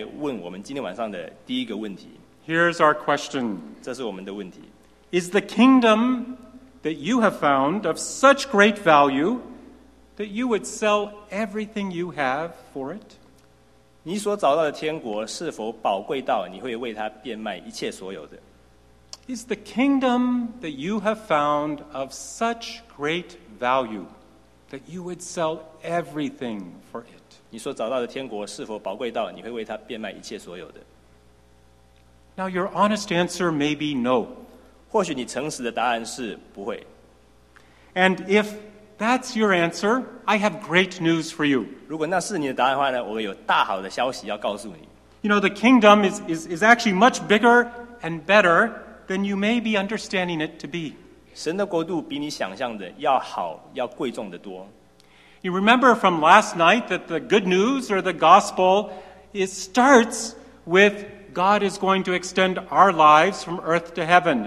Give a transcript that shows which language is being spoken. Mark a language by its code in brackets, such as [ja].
[zh] 在听完这样的比喻之后呢，我们可以来问我们今天晚上的第一个问题。 [en] Here's our question. [zh] 这是我们的问题。 [en] Is the kingdom that you have found of such great value that you would sell everything you have for it? [zh] 你所找到的天国是否宝贵到你会为它变卖一切所有的？ [en] Is the kingdom that you have found of such great value that you would sell everything for it? [zh] 你所找到的天国是否宝贵到你会为它变卖一切所有的？ [en] Now your honest answer may be no. [zh] 或许你诚实的答案是不会。 [en] And if that's your answer, I have great news for you. [zh] 如果那是你的答案的话呢，我有大好的消息要告诉你。 [en] You know, the kingdom is actually much bigger and better than you may be understanding it to be. [zh] 神的国度比你想象的要好，要贵重的多。 [en] You remember from last night that the good news or the gospel, it starts with God is going to extend our lives from earth to heaven.